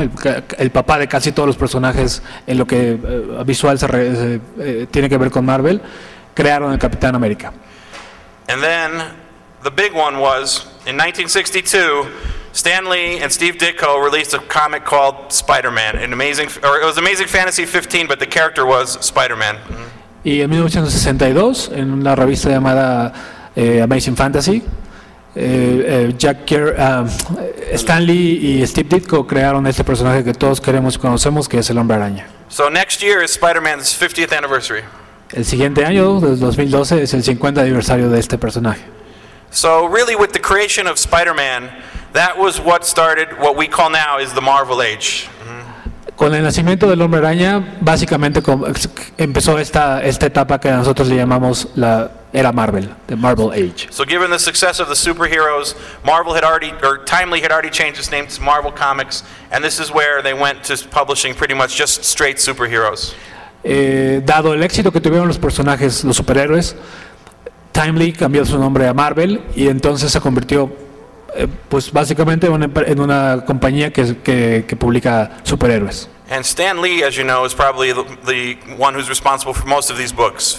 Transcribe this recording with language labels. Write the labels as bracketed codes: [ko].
[es] El papá de casi todos los personajes en lo que visual tiene que ver con Marvel, crearon el Capitán América. [en] And then the big one was in 1962, Stan Lee and Steve Ditko released a comic called Spider-Man, it was Amazing Fantasy 15, but the character was Spider-Man. Mm-hmm. [es] Y en 1962, en una revista llamada Amazing Fantasy, Stan Lee y Steve Ditko crearon este personaje que todos queremos y conocemos, que es el Hombre Araña. [en] So next year is Spider-Man's 50th anniversary. [es] El siguiente año, 2012, es el 50 aniversario de este personaje. [en] So really with the creation of Spider-Man, that was what started what we call now is the Marvel Age. Mm-hmm. [es] Con el nacimiento del Hombre Araña, básicamente empezó esta etapa que nosotros le llamamos la era Marvel, [en] the Marvel Age. So given the success of the superheroes, Marvel had already, or Timely had already changed its name to Marvel Comics, and this is where they went to publishing pretty much just straight superheroes. [es] Dado el éxito que tuvieron los personajes, los superhéroes, Timely cambió su nombre a Marvel, y entonces se convirtió, pues básicamente en una compañía que publica superhéroes. [en] And Stan Lee, as you know, is probably the one who's responsible for most of these books.